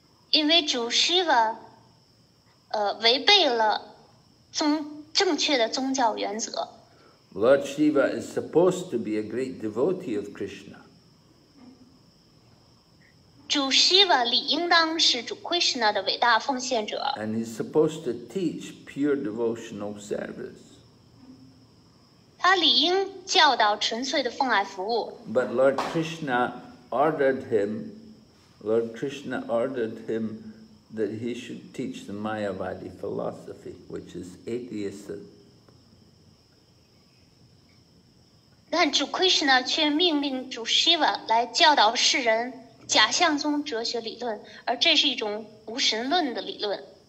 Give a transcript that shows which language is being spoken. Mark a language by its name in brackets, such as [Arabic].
[Chinese] 因为主 Shiva 违背了正确的宗教原则。 [English] Lord Shiva is supposed to be a great devotee of Krishna. [Chinese] 主 Shiva 理应当是主 Krishna 的伟大奉献者。 [English] And he's supposed to teach pure devotional service. [Chinese] 他理应教导纯粹的奉爱服务。 [English] But Lord Krishna ordered him, Lord Krishna ordered him that he should teach the Mayavadi philosophy, which is atheism. [Chinese] 但主 Krishna 却命令主 Shiva 来教导世人 假象宗哲学理论，而这是一种无神论的理论。